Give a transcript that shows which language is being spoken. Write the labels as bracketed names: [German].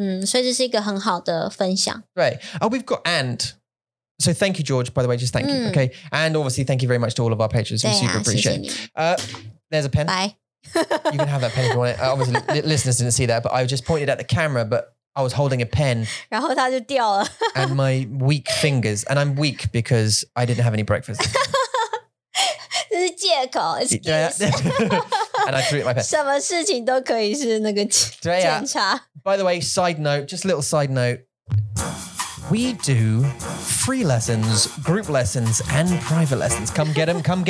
[Chinese] 对啊，我觉得跟大家分享你就是怎么学中文，或是你怎么学一个不同语言，是很棒的方法，因为你也会想要知道人家是怎么学，然后可以说这么棒，对吧？嗯，所以这是一个很好的分享。Right. [English] Oh, we've got and. So thank you, George, by the way, just thank you. Okay. And obviously thank you very much to all of our patrons. We super appreciate it. There's a pen. Bye. You can have that pen if you want it. Obviously listeners didn't see that, but I just pointed at the camera, but I was holding a pen. [Chinese] 然后它就掉了。 [English] And my weak fingers. And I'm weak because I didn't have any breakfast. [Chinese] 这是借口, excuse. [English] And I threw it in my pen. [Chinese] 什么事情都可以是那个检查。 [English] By the way, side note, just a little side note. We do free lessons, group lessons, and private lessons. Come get them.